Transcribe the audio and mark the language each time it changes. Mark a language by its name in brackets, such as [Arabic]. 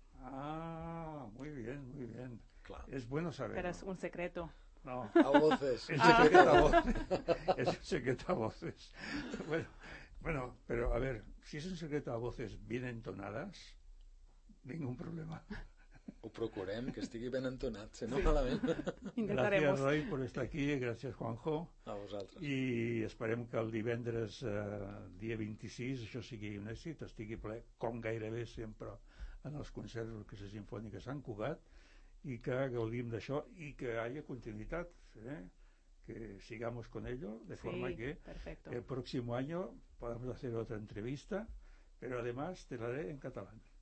[Spanish] Ah, muy bien. Claro. Es bueno saber. Pero es un secreto. No. A voces. Es un secreto a voces. Es un secreto a voces. Bueno, pero a ver, si es un secreto a voces bien entonadas, ningún problema. [Catalan] Ho procurem, que estigui ben entonat, si no malament. Gràcies, Roy, per estar aquí, gràcies, Juanjo. A vosaltres. I esperem que el divendres, dia 26, això sigui un èxit, estigui ple, com gairebé sempre, en els concerts que se sinfònica Sant Cugat, i que gaudim d'això i que hi hagi continuïtat, que [Spanish] sigamos con ello, [Catalan] de forma que [Spanish] perfecto. El próximo año podamos hacer otra entrevista, pero además te la haré en catalán.